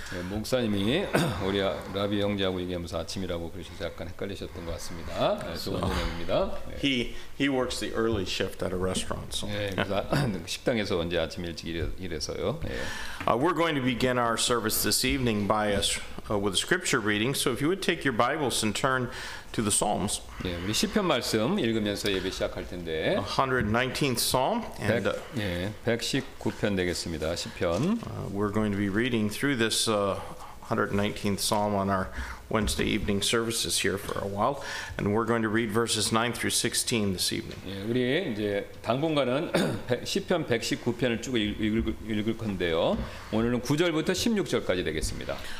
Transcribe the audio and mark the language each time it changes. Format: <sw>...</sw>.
<ko>목사님이 우리 라비 형제하고 얘기하면서 아침이라고 그러셔서 약간 헷갈리셨던 것 같습니다. 좋은 내용입니다.</ko> <en>He works the early shift at a restaurant. So.</en> <ko>식당에서 언제 아침 일찍 일해서요.</ko> <en>We're going to begin our service this evening by us. With a scripture reading, so if you would take your Bibles and turn to the Psalms.</en> <ko>예, 우리 시편 말씀 읽으면서 예배 시작할 텐데.</ko> <en>119th Psalm.</en> <ko>119편 되겠습니다. 시편.</ko> <en>We're going to be reading through this 119th Psalm on our Wednesday evening services here for a while, and we're going to read verses 9 through 16 this evening.</en> <ko>예, 우리 이제 당분간은 시편 119편을 쭉 읽을 건데요. 오늘은 9절부터 16절까지 되겠습니다.</ko>